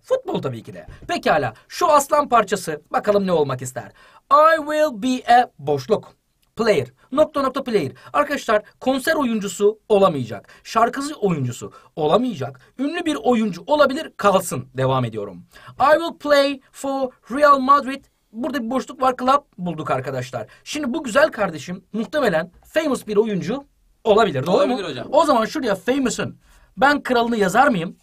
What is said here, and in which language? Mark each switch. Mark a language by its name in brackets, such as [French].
[Turkish] Futbol tabii ki de. Pekala. Şu aslan parçası. Bakalım ne olmak ister. [English] I will be a boşluk. Player. [Turkish] Nokta nokta [English] player. [Turkish] Arkadaşlar konser oyuncusu olamayacak. Şarkıcı oyuncusu olamayacak. Ünlü bir oyuncu olabilir, kalsın. Devam ediyorum. [English] I will play for Real Madrid. [Turkish] Burada bir boşluk var, club bulduk arkadaşlar. Şimdi bu güzel kardeşim muhtemelen famous bir oyuncu olabilir. Doğru olabilir mu? Hocam. O zaman şuraya famous'ın ben kralını yazar mıyım?